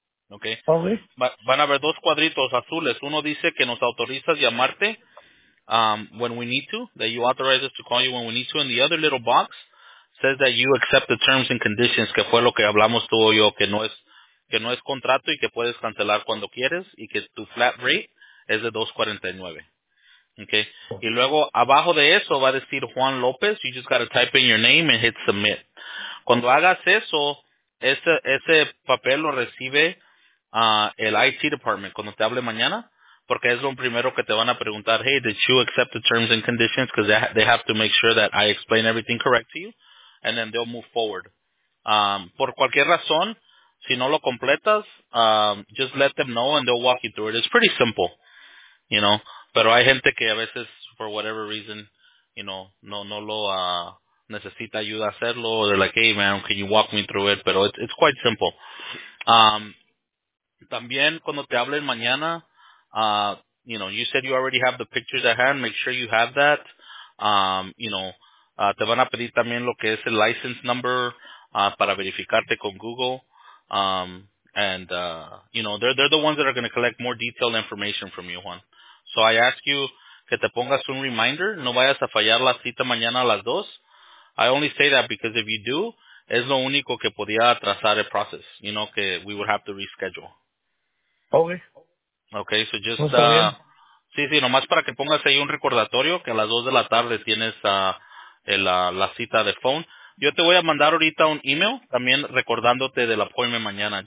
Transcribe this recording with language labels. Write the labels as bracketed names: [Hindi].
[English] Okay. [Spanish] Van a haber 2 cuadritos azules. Uno dice que nos autorizas llamarte [English] when we need to, that you authorize us to call you when we need to. And the other little box says that you accept the terms and conditions, [Spanish] que fue lo que hablamos tú y yo, que no es contrato y que puedes cancelar cuando quieres y que tu flat rate es de $2.49. Okay. Y luego abajo de eso va a decir Juan López. [English] You just got to type in your name and hit submit. [Spanish] Cuando hagas eso, ese papel lo recibe el IT department cuando te hable mañana, porque es lo primero que te van a preguntar. [English] Hey, did you accept the terms and conditions? Because they have to make sure that I explain everything correct to you, and then they'll move forward. [Spanish] Por cualquier razón, si no lo completas, [English] just let them know and they'll walk you through it. It's pretty simple, you know. [Spanish] Pero hay gente que a veces, [English] for whatever reason, [Spanish] no lo necesita ayuda a hacerlo. [English] They're like, hey, man, can you walk me through it? Pero it's quite simple. [Spanish] También cuando te hablen mañana, [English] you said you already have the pictures at hand. Make sure you have that. [Spanish] Te van a pedir también lo que es el license number para verificarte con Google. [English] They're the ones that are going to collect more detailed information from you, Juan. So I ask you [Spanish] que te pongas un [English] reminder. [Spanish] No vayas a fallar la cita mañana a las 2. [English] I only say that because if you do, [Spanish] es lo único que podía atrasar el proceso. [English] You know, que we would have to reschedule. Okay, so just... [Spanish] Sí, nomás para que pongas ahí un recordatorio que a las 2 de la tarde tienes la cita de phone. Yo te voy a mandar ahorita un email también recordándote del appointment mañana.